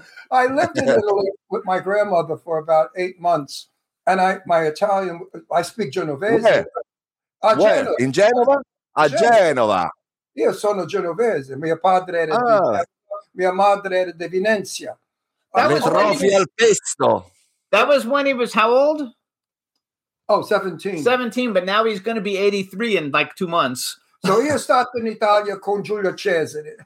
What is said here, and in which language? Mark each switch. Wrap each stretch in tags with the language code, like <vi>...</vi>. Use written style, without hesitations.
<en>I lived in Italy with my grandmother for about 8 months, and I speak Genovese. Where? In Genova? A Genova.</en> <it>Io sono genovese, mio padre era mia madre era di Venezia.</it> <en>That was when he was how old? Oh, 17. 17, but now he's going to be 83 in like 2 months.</en> <it>So io stato in Italia con Giulio Cesare.</it>